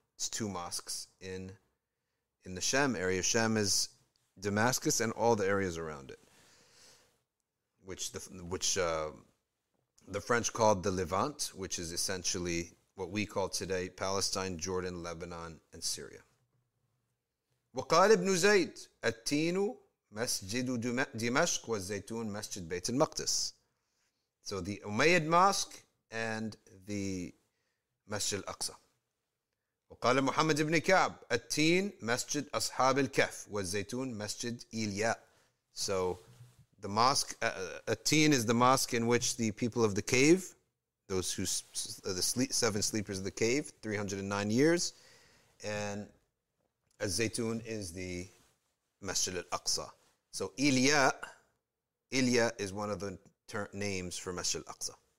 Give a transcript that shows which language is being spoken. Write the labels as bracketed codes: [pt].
[en] It's two mosques in the Sham area. Sham is Damascus and all the areas around it, which the French called the Levant, which is essentially what we call today Palestine, Jordan, Lebanon, and Syria. [ar] وقال ابن زيد التين مسجد دمشق والزيتون مسجد بيت المقدس. [en] So the Umayyad Mosque and the Masjid al-Aqsa. [ar] وقال محمد بن كعب التين مسجد أصحاب الكهف والزيتون مسجد إيلياء. [en] So the mosque, At-Tin is the mosque in which the people of the cave, those who seven sleepers of the cave, 309 years, and Az-Zaytun is the Masjid al-Aqsa. So Ilya is one of the names for Masjid al-Aqsa.